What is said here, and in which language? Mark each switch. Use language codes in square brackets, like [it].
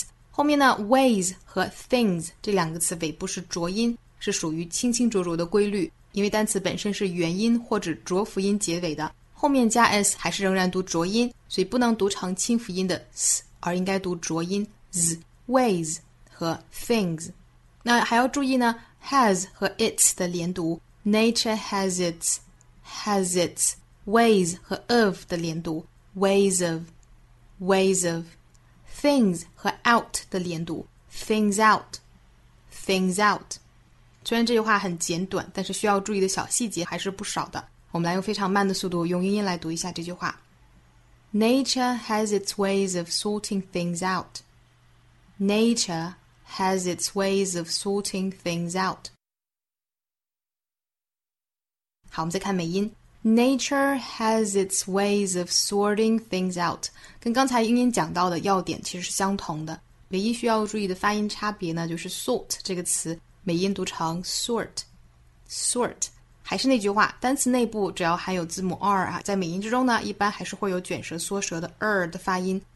[zh] 后面呢 ways 和 things 这两个词尾部是浊音，是属于清清浊浊的规律。因为单词本身是元音或者浊辅音结尾的，后面加 s 还是仍然读浊音，所以不能读成清辅音的 s, 而应该读浊音 z, ways。和 things。那还要注意呢 has 和 its 的连读 nature has its ways 和 of 的连读 ways of things 和 out 的连读 things out。虽然这句话很简短，但是需要注意的小细节还是不少的。我们来用非常慢的速度用英音来读一下这句话。 [en] Nature has its ways of sorting things out. Nature has its ways of sorting things out. [zh] 好，我们再看美音。 [en] Nature has its ways of sorting things out. [zh] 跟刚才英音讲到的要点其实是相同的。唯一需要注意的发音差别呢，就是 sort 这个词，美音读成 sort。 [en] sort。 [zh] 还是那句话，单词内部只要含有字母 r 啊，在美音之中呢，一般还是会有卷舌缩舌的 r 的发音。